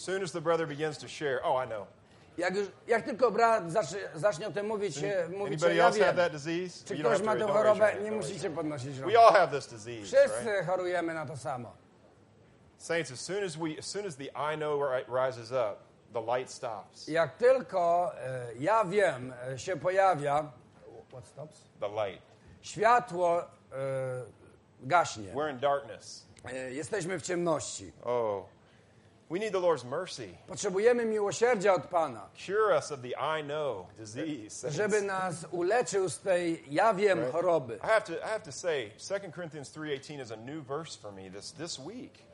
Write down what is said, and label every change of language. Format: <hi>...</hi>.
<en>Soon as the brother begins to share, oh, I know.</en> <pl>Jak tylko brat zacznie o tym mówić, mówić,</pl> <en>anybody else have that disease?</en> <pl>Czy ktoś ma tę chorobę? Nie musicie podnosić rąk.</pl> <en>We all have this disease.</en> <pl>Wszyscy chorujemy na to samo.</pl> <en>Saints, as soon as the I know rises up, the light stops.</en> <pl>Jak tylko ja wiem się pojawia,</pl> <en>what stops? The light.</en> <pl>Światło gaśnie.</pl> <en>We're in darkness.</en> <pl>Jesteśmy w ciemności.</pl> <en>Oh. We need the Lord's mercy.</en> <pl>Potrzebujemy miłosierdzia od Pana.</pl> <en>Cure us of the I know disease.</en> <pl>Żeby nas uleczył z tej ja wiem choroby.</pl> <en>I have to say 2 Corinthians 3:18 is a new verse for me this week.</en>